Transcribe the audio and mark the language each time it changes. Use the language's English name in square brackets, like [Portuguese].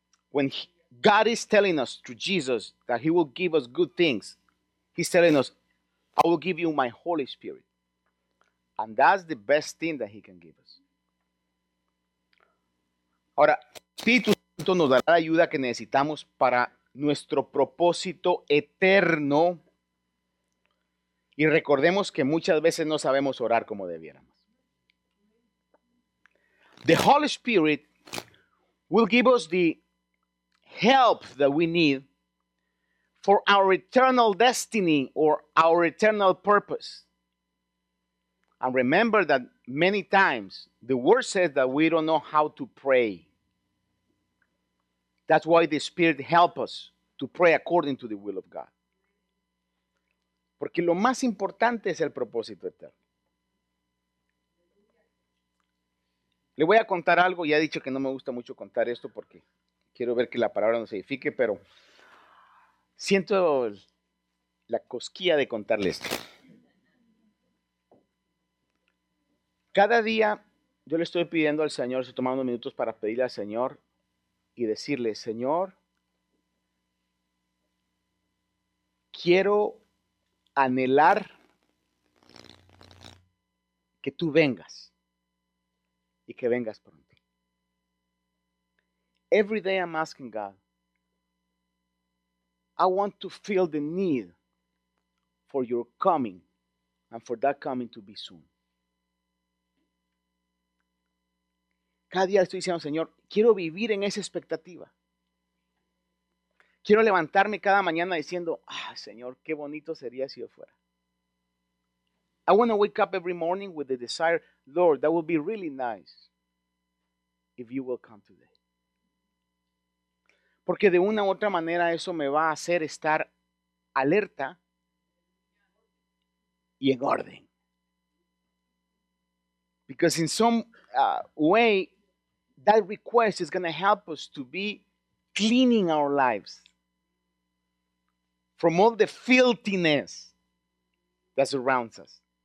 [English] When God is telling us through Jesus that He will give us good things, He's telling us, I will give you my Holy Spirit. And that's the best thing that He can give us. [Spanish] Ahora, Espíritu Santo nos dará la ayuda que necesitamos para nuestro propósito eterno. Y recordemos que muchas veces no sabemos orar como debiéramos. [English] The Holy Spirit will give us the help that we need for our eternal destiny or our eternal purpose. And remember that many times the word says that we don't know how to pray. That's why the Spirit helps us to pray according to the will of God. [Spanish] Porque lo más importante es el propósito eterno. Le voy a contar algo. Ya he dicho que no me gusta mucho contar esto porque quiero ver que la palabra nos edifique, pero siento la cosquilla de contarle esto. Cada día yo le estoy pidiendo al Señor, se toma unos minutos para pedirle al Señor y decirle, Señor, quiero anhelar que tú vengas y que vengas pronto. [English] Every day I'm asking God, I want to feel the need for your coming and for that coming to be soon. [Spanish] Cada día estoy diciendo, Señor, quiero vivir en esa expectativa. Quiero levantarme cada mañana diciendo, ah, Señor, qué bonito sería si yo fuera. [English] I want to wake up every morning with the desire, Lord, that would be really nice if you will come today. [Spanish] Porque de una u otra manera eso me va a hacer estar alerta y en orden. [English] Because in some way, that request is going to help us to be cleaning our lives from all the filthiness that surrounds us.